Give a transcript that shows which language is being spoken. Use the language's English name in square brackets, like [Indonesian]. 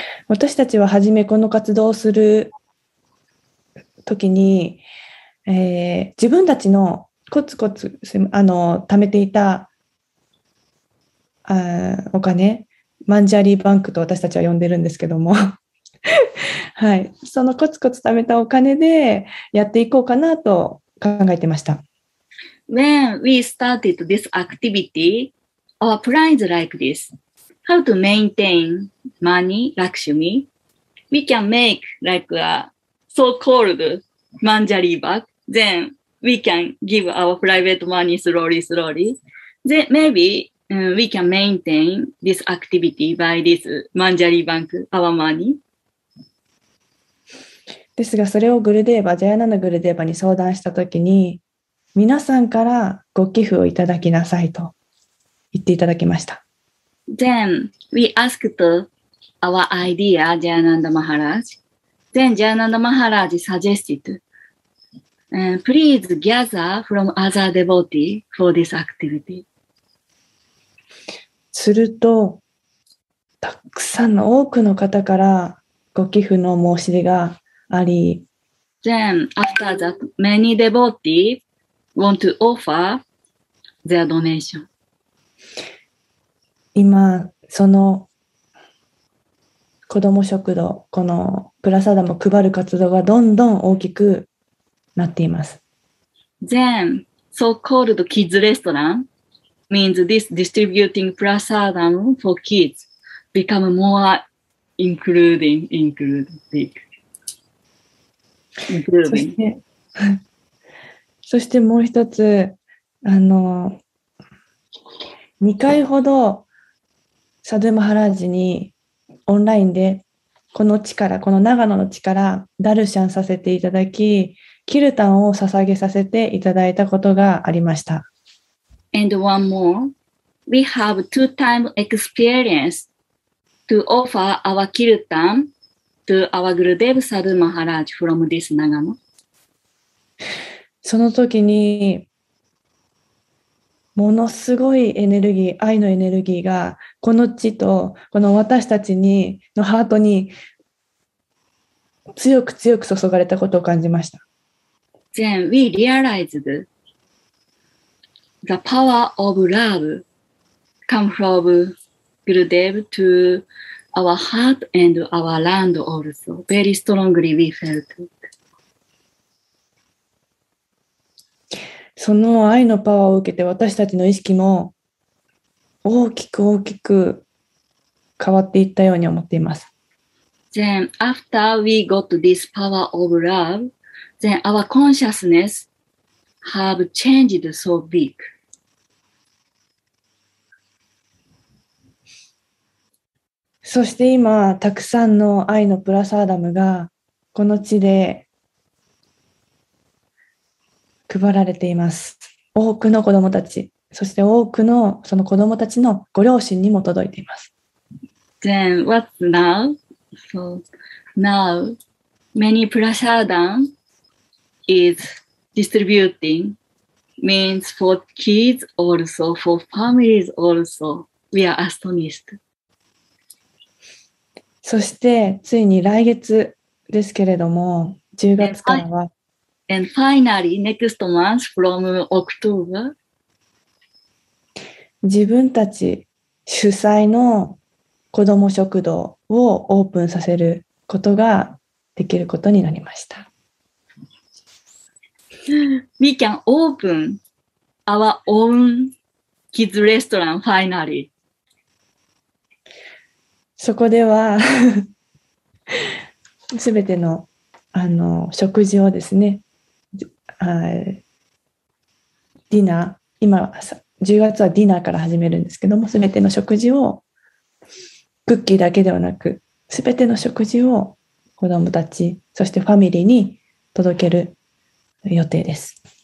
[Japanese] 私たちは初めこの活動をするときに、自分たちのコツコツ貯めていたお金、マンジャリーバンクと私たちは呼んでるんですけども、はい、そのコツコツ貯めたお金でやっていこうかなと考えてました。 [English] When we started this activity, our plan is like this. How to maintain money, Lakshmi? We can make like a so-called マンジャリーバンク。 Then we can give our private money slowly, slowly. Then maybe、we can maintain this activity by this マンジャリーバンク, our money. [Japanese] ですが、それをグルデーバ、ジャヤナのグルデーバに相談したときに、皆さんからご寄付をいただきなさいと言っていただきました。 [English] Then we asked our idea, ジャヤナンダ・マハラージ。 Then ジャヤナンダ・マハラージ suggested,please gather from other devotees for this activity. [Japanese] すると、たくさんの多くの方からご寄付の申し出があり、 [English] Then after that, many devotees,Want to offer their donation. [Japanese] 今その子ども食堂このプラサダも配る活動がどんどん大きくなっています。 [English] Then so-called kids restaurant means this distributing prasadam for kids become more including. [Japanese] そしてもう一つ、2回ほどサドゥマハラージにオンラインでこの地から、この長野の地からダルシャンさせていただき、キルタンを捧げさせていただいたことがありました。 [English] And one more, we have two time experience to offer our キルタン to our グルデヴサドゥマハラージ from this 長野。 [Japanese] その時にものすごいエネルギー、愛のエネルギーがこの地とこの私たちにのハートに強く強く注がれたことを感じました。 [English] Then we realized the power of love come from Gurudev to our heart and our land also. Very strongly we felt. [Japanese] その愛のパワーを受けて私たちの意識も大きく大きく変わっていったように思っています。 [English] Then after we got this power of love, then our consciousness have changed so big. [Japanese] そして今たくさんの愛のプラサーダムがこの地で配られています。多くの子どもたち、そして多くのその子どもたちのご両親にも届いています。 [English] Then what now? So now many prasadam is distributing means for kids also, for families also. We are astonished. [Japanese] そしてついに来月ですけれども、10月からは。 [English] And finally, next month from October, [Japanese] 自分たち主催の子ども食堂をオープンさせることができることになりました。 [English] We can open our own kids restaurant finally. [Japanese] そこではすべての、食事をですね、ディナー、今は10月はディナーから始めるんですけども、全ての食事をクッキーだけではなく全ての食事を子どもたちそしてファミリーに届ける予定です。